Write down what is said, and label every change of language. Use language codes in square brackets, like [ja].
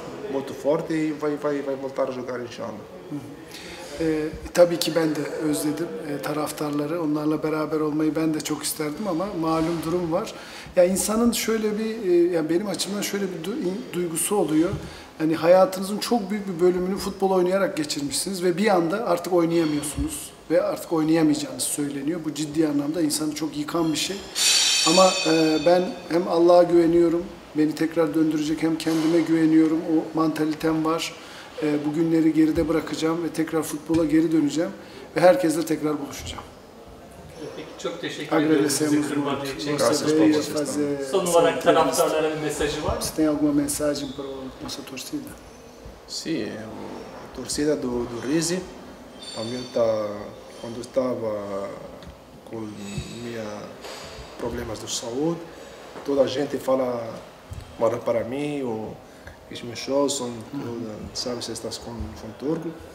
[pt] Muito forte e vai voltar a jogar inşallah. [tr] Tabii ki ben de özledim taraftarları. Onlarla beraber olmayı ben de çok isterdim ama malum durum var. Ya insanın şöyle bir benim açımdan şöyle bir duygusu oluyor. Hani hayatınızın çok büyük bir bölümünü futbol oynayarak geçirmişsiniz ve bir anda artık oynayamıyorsunuz ve artık oynayamayacağınız söyleniyor. Bu ciddi anlamda insanı çok yıkan bir şey. Ama ben hem Allah'a güveniyorum. Beni tekrar döndürecek hem kendime güveniyorum, o mantalitem var. Bugünleri geride bırakacağım ve tekrar futbola geri döneceğim. Ve herkesle tekrar buluşacağım. Peki, çok teşekkür ederim bizi kırmadığı için. Son olarak taraftarlara bir mesajı var mı? [pt] Você tem alguma mensagem para a nossa torcida? Sim, a torcida do Rizzi. Também está, quando estava com minha problemas de saúde, toda a gente fala mora para mim, ou os meus shows são tudo, sabe, se estás com Turco.